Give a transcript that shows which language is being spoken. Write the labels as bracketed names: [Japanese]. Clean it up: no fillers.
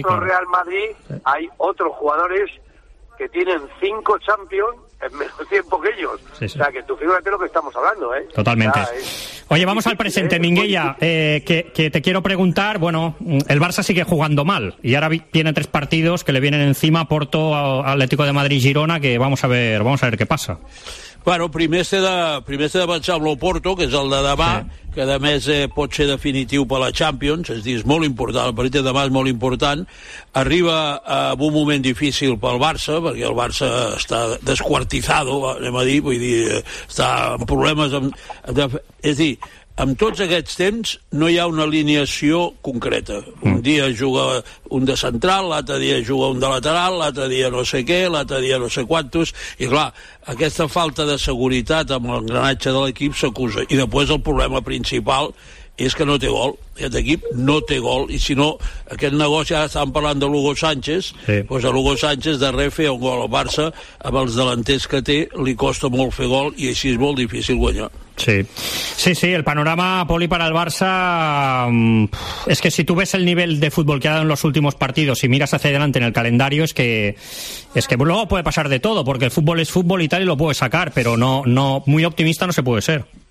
[Spanish] Otro Real Madrid, hay otros jugadores que tienen 5 Champions en menos tiempo que ellos. Sí, sí. O sea, que tú fíjate lo que estamos hablando, ¿eh? Totalmente. Oye, vamos al presente, Minguella, que te quiero preguntar. Bueno, el Barça sigue jugando mal y ahora tiene 3 partidos que le vienen encima: Porto, Atlético de Madrid, Girona, que vamos a ver qué pasa. [Catalan] Bueno, primer s'ha de pensar amb l'Oporto, que és el de demà, sí, que a més pot ser definitiu per la Champions, és a dir, és molt important, el partit de demà és molt important. Arriba en un moment difícil pel Barça, perquè el Barça està desquartizado, anem a dir, vull dir, està amb problemes amb... És a dir, en tots aquests temps no hi ha una alineació concreta. Un dia juga un de central, l'altre dia juga un de lateral, l'altre dia no sé què, l'altre dia no sé quantos, i clar, aquesta falta de seguretat amb l'engranatge de l'equip s'acusa. I després el problema principal és que no té gol, aquest equip no té gol, i si no, aquest negoci, ara estàvem parlant de Hugo Sánchez, sí, doncs a Hugo Sánchez darrer fer un gol al Barça, amb els delanters que té, li costa molt fer gol, i així és molt difícil guanyar. [Spanish] Sí, sí, sí, el panorama Poli para el Barça es que si tú ves el nivel de fútbol que ha dado en los últimos partidos y miras hacia adelante en el calendario, es que luego puede pasar de todo, porque el fútbol es fútbol y tal, y lo puede sacar, pero no, no, muy optimista no se puede ser.